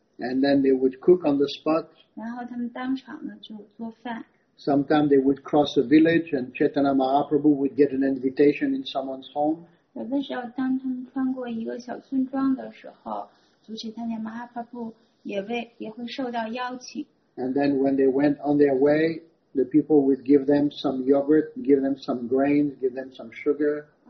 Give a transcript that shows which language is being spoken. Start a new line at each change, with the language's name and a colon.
English: And then they would cook on the spot.
Chinese: 然后他们当场呢就做饭。
English: Sometimes they would cross a village and Chaitanya Mahaprabhu would get an invitation in someone's home.
Chinese: 有的时候当他们穿过一个小村庄的时候，主持参加马哈帕布也会受到邀请。
English: And then when they went on their way, the people would give them some yogurt, give them some grains, give them some sugar.